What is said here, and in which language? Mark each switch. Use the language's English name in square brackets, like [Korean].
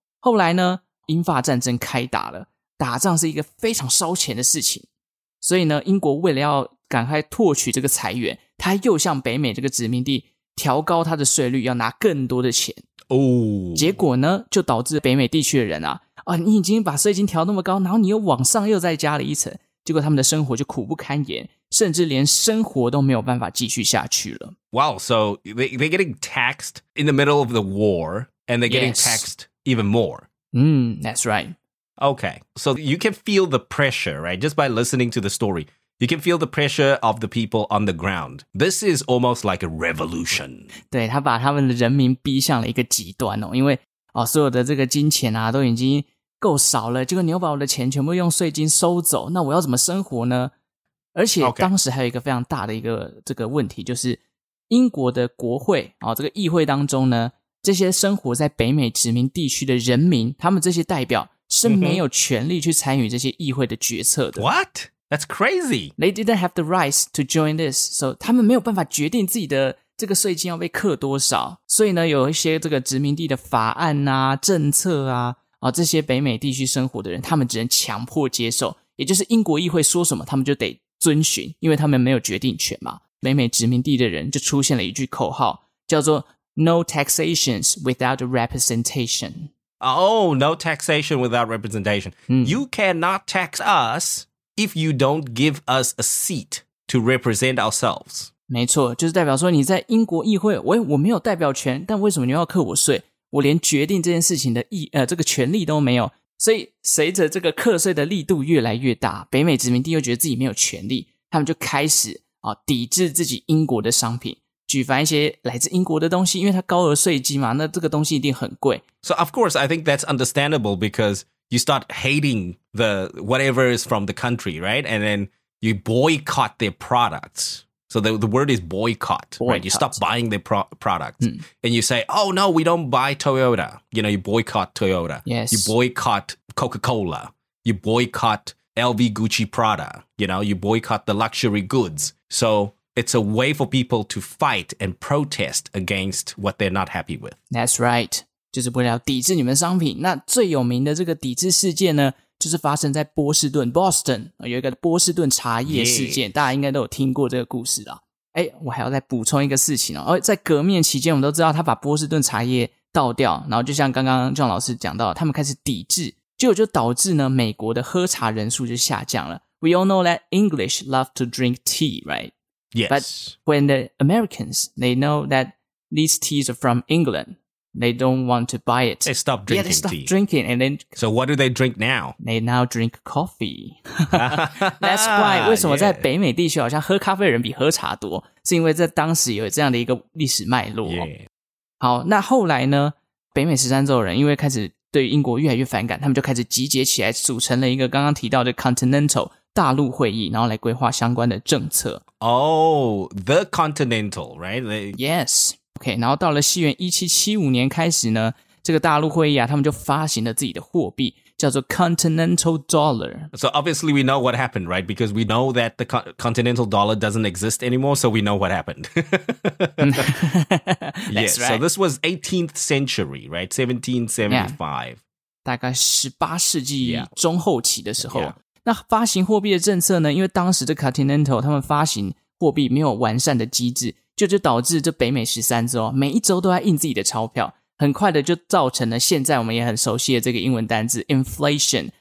[Chinese] 后来呢，英法战争开打了，打仗是一个非常烧钱的事情，所以呢，英国为了要赶快拓取这个财源，他又向北美这个殖民地调高他的税率，要拿更多的钱哦。结果呢，就导致北美地区的人啊，啊，你已经把税金调那么高，然后你又往上又再加了一层，结果他们的生活就苦不堪言。甚至连生活都没有办法继续下去了。 [English] Wow, so they're getting taxed in the middle of the war, and they're getting taxed even more. That's right. Okay, so you can feel the pressure, right? Just by listening to the story, you can feel the pressure of the people on the ground. This is almost like a revolution. [Chinese] 对，他把他们的人民逼向了一个极端哦，因为哦，所有的这个金钱啊，都已经够少了，结果你又把我的钱全部用税金收走，那我要怎么生活呢？而且当时还有一个非常大的一个这个问题，就是英国的国会哦，这个议会当中呢，这些生活在北美殖民地区的人民，他们这些代表是没有权利去参与这些议会的决策的。 [English] What? That's crazy. They didn't have the rights to join this, so [Chinese] 他们没有办法决定自己的这个税金要被课多少。所以呢，有一些这个殖民地的法案啊、政策啊，啊这些北美地区生活的人，他们只能强迫接受，也就是英国议会说什么，他们就得遵循，因为他们没有决定权嘛。北美殖民地的人就出现了一句口号，叫做 [English] "No taxations without representation." Oh, no taxation without representation. You cannot tax us if you don't give us a seat to represent ourselves. [Chinese] 没错，就是代表说你在英国议会，我没有代表权，但为什么你要课我税？我连决定这件事情的这个权利都没有。所以随着这个课税的力度越来越大，北美殖民地又觉得自己没有权利，他们就开始啊抵制自己英国的商品。举凡一些来自英国的东西，因为它高额税基嘛，那这个东西一定很贵。 [English] So of course, I think that's understandable because you start hating the whatever is from the country, right? And then you boycott their products. So the word is boycott, boycott, right? You stop buying their products. And you say, oh no, we don't buy Toyota. You know, you boycott Toyota. Yes. You boycott Coca-Cola. You boycott LV Gucci Prada. You know, you boycott the luxury goods. So... It's a way for people to fight and protest against what they're not happy with. That's right. [Chinese] 就是为了抵制你们的商品。那最有名的这个抵制事件呢，就是发生在波士顿 Boston 有一个波士顿茶叶事件。 [English] Yes. [Chinese] 大家应该都有听过这个故事啦。诶，我还要再补充一个事情哦。在革命期间，我们都知道他把波士顿茶叶倒掉，然后就像刚刚John老师讲到，他们开始抵制，结果就导致呢，美国的喝茶人数就下降了。 [English] We all know that English love to drink tea, right? Yes. But when the Americans, they know that these teas are from England, they don't want to buy it. They stop drinking tea. Yeah, they stop drinking. And then, so what do they drink now? They now drink coffee. That's why, [Chinese] 为什么在北美地区好像喝咖啡的人比喝茶多，是因为在当时有这样的一个历史脉络。 [English] Yeah. [Chinese] 好，那后来呢，北美十三州人因为开始对英国越来越反感，他们就开始集结起来，组成了一个刚刚提到的 Continental,大陆会议，然后来规划相关的政策。 [English] Oh, the Continental, right? Yes. Okay, [Chinese] 然后到了西元1775年开始呢，这个大陆会议啊，他们就发行了自己的货币，叫做 Continental Dollar. [English] So obviously we know what happened, right? Because we know that the Continental Dollar doesn't exist anymore, so we know what happened. That's right. Yes, so this was 18th century, right? 1775. Yeah. [Chinese] 大概18世纪中后期的时候。 [English] Yeah. Yeah. [Chinese] 那发行货币的政策呢，因为当时的 Continental 他们发行货币没有完善的机制，就导致这北美十三州每一周都在印自己的钞票，很快的就造成了现在我们也很熟悉的这个英文单字 inflation、